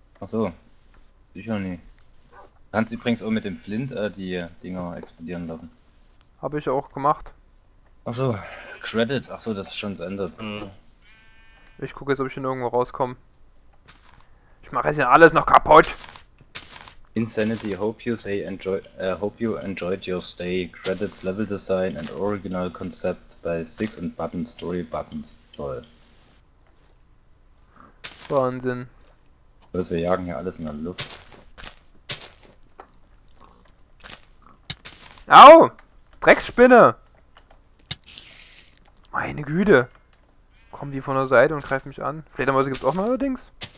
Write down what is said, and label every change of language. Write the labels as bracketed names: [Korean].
[German] Ach so. Sicher nie. Du kannst übrigens auch mit dem Flint die Dinger explodieren lassen. Habe ich auch gemacht. Ach so. Credits. Ach so, das ist schon das Ende. Mhm. Ich gucke jetzt, ob ich hier irgendwo rauskomme. Ich mache jetzt hier alles noch kaputt. [English] Insanity, hope you say enjoy, hope you enjoyed your stay. Credits, level design and original concept by Six and Buttons, Story Buttons. [German] Toll. Wahnsinn. Was, wir jagen hier alles in der Luft. Au! Drecksspinne! Meine Güte! Kommen die von der Seite und greifen mich an? Fledermäuse gibt's auch mal allerdings.